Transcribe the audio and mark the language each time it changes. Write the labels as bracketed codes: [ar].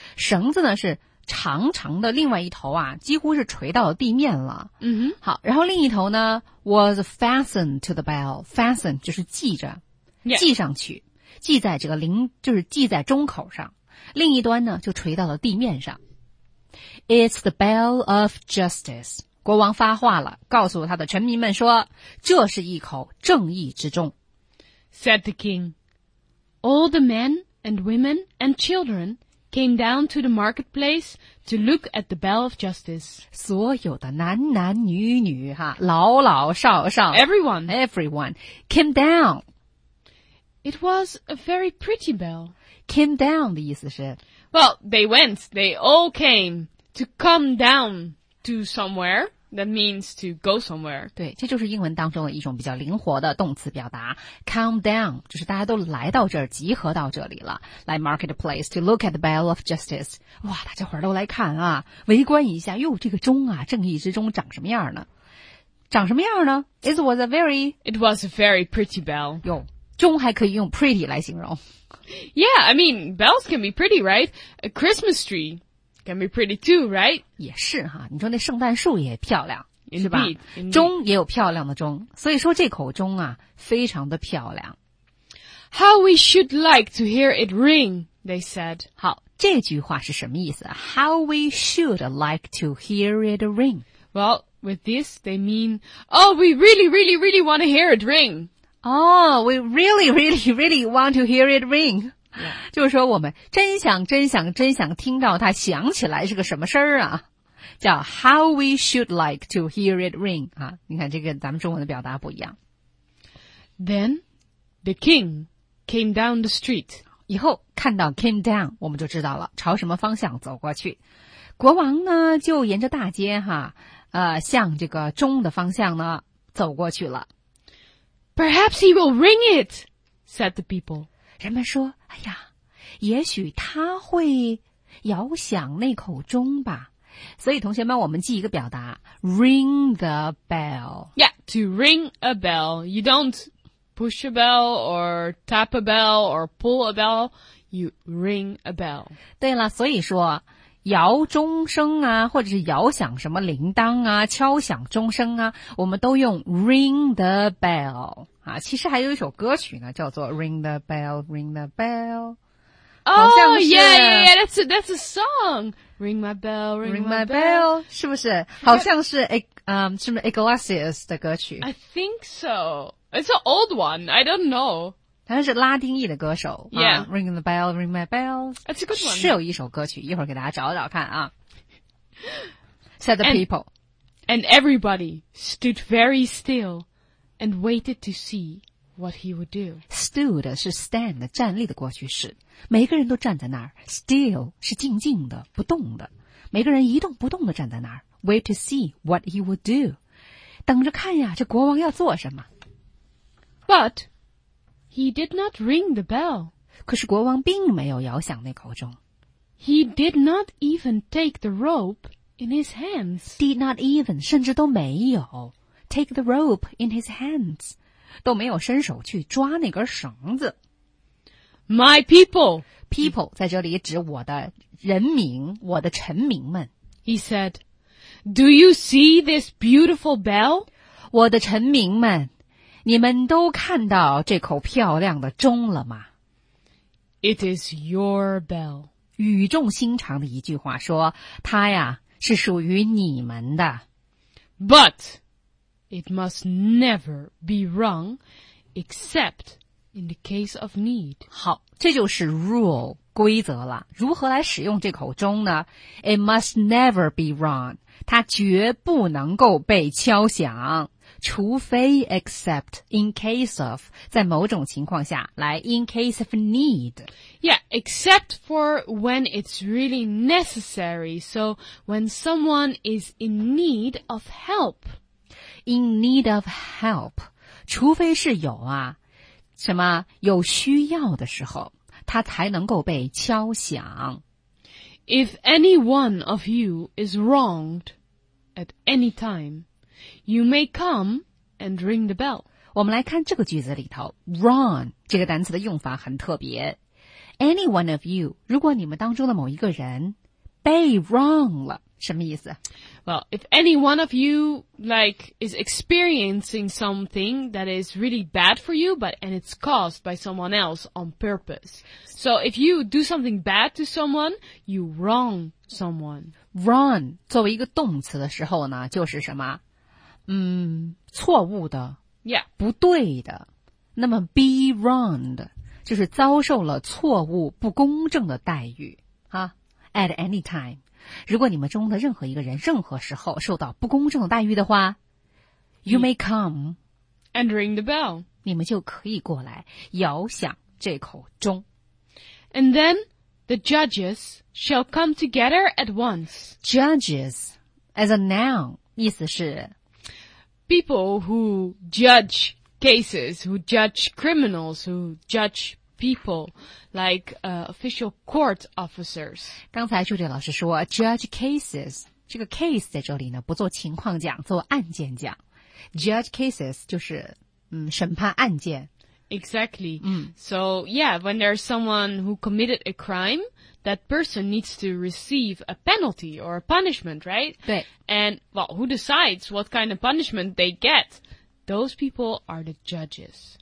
[zh] 绳子呢是长长的另外一头啊几乎是垂到地面了。嗯哼。好然后另一头呢 [en] was fastened to the bell. [zh] Fastened 就是系着。 [en] Yeah. [zh] 系上去。系在这个铃就是系在钟口上。另一端呢就垂到了地面上。 [en] It's the bell of justice. [zh] 国王发话了告诉他的臣民们说这是一口正义之钟。 [en] Said the king, All the men and women and children,came down to the marketplace to look at the bell of justice. [zh] 所有的男男女女哈，老老少少 [en] Everyone came down. It was a very pretty bell. [zh] Came down 的意思是 [en] Well, they went, they all came to come down to somewhere. That means to go somewhere. [zh] 对，这就是英文当中的一种比较灵活的动词表达 [en] Come down [zh] 就是大家都来到这儿集合到这里了来 [en] marketplace to look at the bell of justice [zh] 哇大家伙儿都来看啊围观一下哟这个钟啊正义之钟长什么样呢长什么样呢 [en] It was a very pretty bell [zh] 哟钟还可以用 pretty 来形容 [en] Yeah, I mean, bells can be pretty, right? A Christmas tree can be pretty too, right? [zh] 也是哈，你说那圣诞树也漂亮， [en] indeed, [zh] 是吧？钟也有漂亮的钟，所以说这口钟啊，非常的漂亮。 [en] How we should like to hear it ring, they said. [zh] 好，这句话是什么意思 ？ [en] How we should like to hear it ring? Well, with this, they mean, oh, we really, really, really want to hear it ring. Oh, we really, really, really want to hear it ring. Yeah. [zh] 就是说我们真想真想真想听到它响起来是个什么声儿啊叫 [en] How we should like to hear it ring [zh] 啊你看这个咱们中文的表达不一样 [en] Then the king came down the street [zh] 以后看到 came down 我们就知道了朝什么方向走过去国王呢就沿着大街哈向这个钟的方向呢走过去了 [en] Perhaps he will ring it said the people [zh] 人们说哎呀也许他会摇响那口钟吧。所以同学们我们记一个表达 , [en] ring the bell. Yeah, to ring a bell. You don't push a bell or tap a bell or pull a bell, you ring a bell. [zh] 对了所以说摇钟声啊或者是摇响什么铃铛啊敲响钟声啊我们都用 [en] ring the bell。 [zh] 啊，其实还有一首歌曲呢，叫做 "Ring the Bell, Ring the Bell"。 [en] Oh, yeah, yeah, yeah. That's a song. Ring my bell, ring my bell. [zh] 是不是？好像是是不是 Iglesias 的歌曲 [en] ？I think so. It's an old one. I don't know. [zh] 好像是拉丁裔的歌手。 [en] Yeah, Ring the bell, ring my bell. That's a good one. [zh] 是有一首歌曲，一会儿给大家找找看啊。 [en] Said the people, and everybody stood very still. And waited to see what he would do. [zh] Stood 是 stand, 站立的过去式。每个人都站在那儿。 Still 是静静的不动的。每个人一动不动的站在那儿。 [en] Wait to see what he would do. [zh] 等着看呀，这国王要做什么。 [en] But, he did not ring the bell. [zh] 可是国王并没有摇响那口钟。 [en] He did not even take the rope in his hands. Did not even, [zh] 甚至都没有。 [en] Take the rope in his hands. [zh] 都没有伸手去抓那根绳子。 [en] My people. [zh] People 在这里指我的人民，我的臣民们。 [en] He said, Do you see this beautiful bell? [zh] 我的臣民们，你们都看到这口漂亮的钟了吗？ [en] It is your bell. [zh] 语重心长的一句话说，它呀，是属于你们的。 [en] But... It must never be wrong, except in the case of need. [zh] 好，这就是 rule, 规则了。如何来使用这口钟呢？ [en] It must never be wrong. [zh] 它绝不能够被敲响。 [en] 除非 except in case of, [zh] 在某种情况下来 [en] in case of need. Yeah, except for when it's really necessary. So when someone is in need of help. In need of help, [zh] 除非是有啊，什么有需要的时候，它才能够被敲响。 [en] If any one of you is wronged at any time, you may come and ring the bell. [zh] 我们来看这个句子里头 ,wrong, 这个单词的用法很特别。 [en] Any one of you, [zh] 如果你们当中的某一个人被 wrong 了什么意思 [en] ?Well, if any one of you, like, is experiencing something that is really bad for you, but, and it's caused by someone else on purpose. So, if you do something bad to someone, you wrong someone. [zh] Wrong, 作为一个动词的时候呢就是什么错误的。 [en] Yeah. [zh] 不对的。那么 be wronged, 就是遭受了错误不公正的待遇。 [en] 啊 ,at any time. [zh] 如果你们中的任何一个人任何时候受到不公正的待遇的话 [en] You may come And ring the bell [zh] 你们就可以过来摇响这口钟 [en] And then the judges shall come together at once Judges as a noun 意思是 People who judge cases Who judge criminals Who judge people People like official court officers. [zh] 刚才朱迪老师说 [en] judge cases. [zh] 这个 case 在这里呢，不做情况讲，做案件讲。 Judge cases 就是审判案件。 [en] Exactly. So yeah, when there's someone who committed a crime, that person needs to receive a penalty or a punishment, right? [zh] 对。 [en] And well, who decides what kind of punishment they get? Those people are the judges.